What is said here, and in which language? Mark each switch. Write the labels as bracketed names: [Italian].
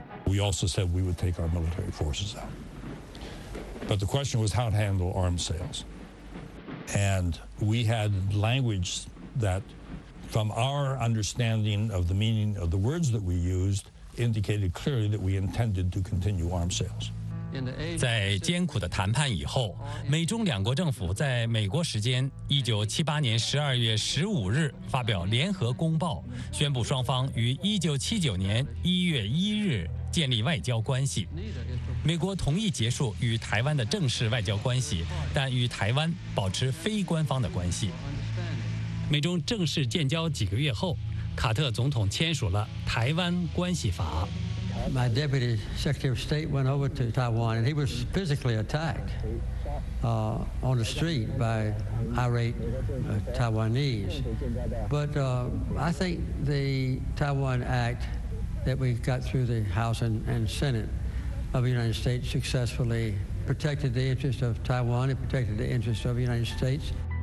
[English] We also said we would take our military forces out. But the question was how to handle arms sales. And we had language that, from our understanding of the meaning of the words that we used, indicated clearly that we intended to continue arms sales. [Chinese] 在艰苦的谈判以后，美中两国政府在美国时间1978年12月15日发表联合公报，宣布双方于1979年1月1日建立外交关系。美国同意结束与台湾的正式外交关系，但与台湾保持非官方的关系。美中正式建交几个月后，卡特总统签署了《台湾关系法》。 [English] My deputy secretary of state went over to Taiwan and he was physically attacked on the street by irate Taiwanese. But I think the Taiwan Act that we got through the House and Senate of the United States successfully protected the interest of Taiwan and protected the interest of the United States.